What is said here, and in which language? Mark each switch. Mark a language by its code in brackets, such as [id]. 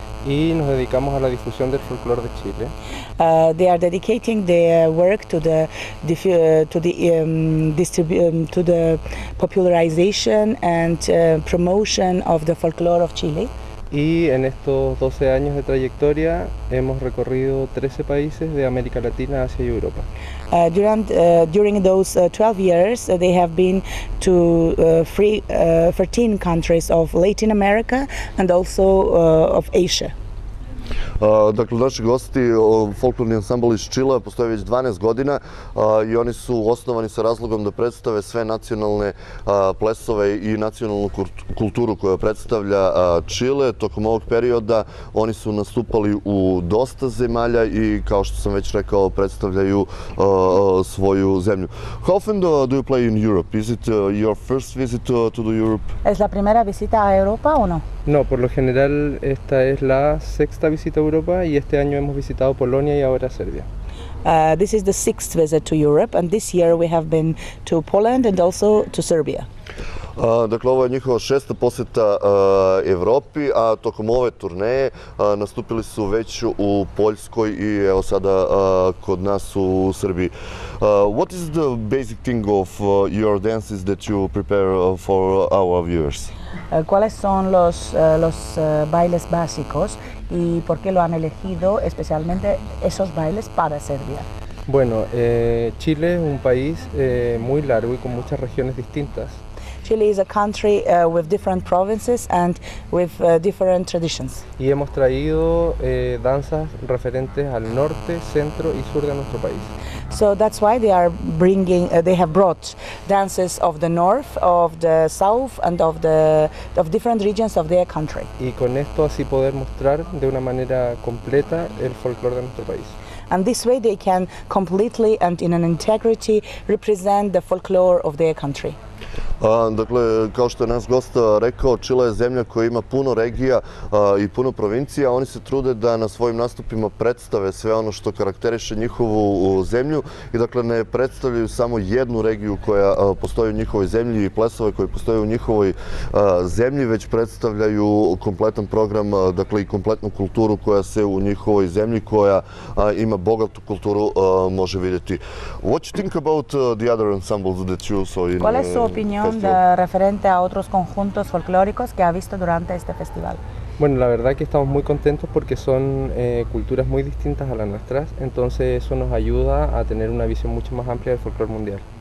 [es] Y nos dedicamos a la difusión del folclore de Chile. [en] They are dedicating their work to the to the popularization and promotion of the folklore of Chile. [es] Y en estos 12 años de trayectoria hemos recorrido 13 países de América Latina hacia Europa. [en] During those 12 years they have been to 13 countries of Latin America and also of Asia. [sr] Dakle, naši gosti, folklorni ansambl iz Čila, postoje već 12 godina i oni su osnovani sa razlogom da predstave sve nacionalne plesove i nacionalnu kulturu koja predstavlja Čile. Tokom ovog perioda oni su nastupali u dosta zemalja i, kao što sam već rekao, predstavljaju svoju zemlju. [en] How often do you play in Europe? Is it your first visit to the Europe? [es] ¿Es la primera visita a Europa o no? No, por lo general esta es la sexta visita a Europa y este año hemos visitado Polonia y ahora Serbia. [en] This is the sixth visit to Europe and this year we have been to Poland and also to Serbia. [sr] Dakle, ovo je njihova šesta poseta Evropi, a tokom ove turneje nastupili su već u Poljskoj i evo sada kod nas u Srbiji. [en] What is the basic thing of your dances that you prepare for our viewers? [es] ¿Cuáles son los bailes básicos y por qué lo han elegido especialmente esos bailes para Serbia? Bueno, Chile es un país muy largo y con muchas regiones distintas. [en] Chile is a country with different provinces and with different traditions. [es] Y hemos traído danzas referentes al norte, centro y sur de nuestro país. [en] So that's why they are bringing, they have brought dances of the north, of the south and of the of different regions of their country. [es] Y con esto así poder mostrar de una manera completa el folclore de nuestro país. [en] And this way they can completely and in an integrity represent the folklore of their country. [sr] Dakle, kao što je naš gost rekao, Čile je zemlja koja ima puno regija i puno provincija. Oni se trude da na svojim nastupima predstave sve ono što karakteriše njihovu zemlju i dakle ne predstavljaju samo jednu regiju koja postoji u njihovoj zemlji i plesove koje postoje u njihovoj zemlji, već predstavljaju kompletan program, dakle i kompletnu kulturu koja se u njihovoj zemlji, koja ima bogatu kulturu, može vidjeti. [en] What you think about the other ensembles that you saw in [es] ¿Cuál es su opinión de referente a otros conjuntos folclóricos que ha visto durante este festival? Bueno, la verdad que estamos muy contentos porque son culturas muy distintas a las nuestras, entonces eso nos ayuda a tener una visión mucho más amplia del folclore mundial.